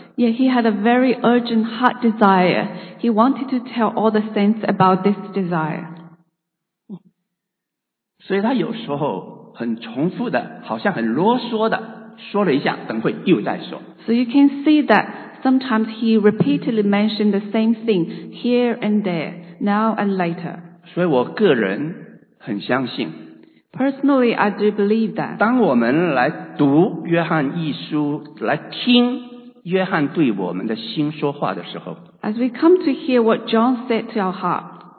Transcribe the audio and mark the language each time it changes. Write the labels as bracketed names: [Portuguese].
[English] Yeah, he had a very urgent heart desire. He wanted to tell all the saints about this desire. [Chinese] 所以他有时候很重复的，好像很啰嗦的，说了一下，等会又再说。 [English] So you can see that sometimes he repeatedly mentioned the same thing here and there, now and later. [Chinese] 所以我个人很相信。 [English] Personally, I do believe that. [Chinese] 当我们来读约翰一书，来听约翰对我们的心说话的时候 [English] ，As we come to hear what John said to our heart,